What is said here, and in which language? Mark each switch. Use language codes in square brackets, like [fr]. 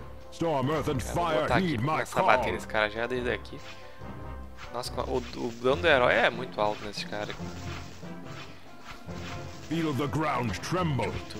[en] Storm, earth and fire, need my call. [pt] Bater esse cara já desde aqui. Nossa, o dano do herói é muito alto nesse cara. [en] Feel the ground tremble.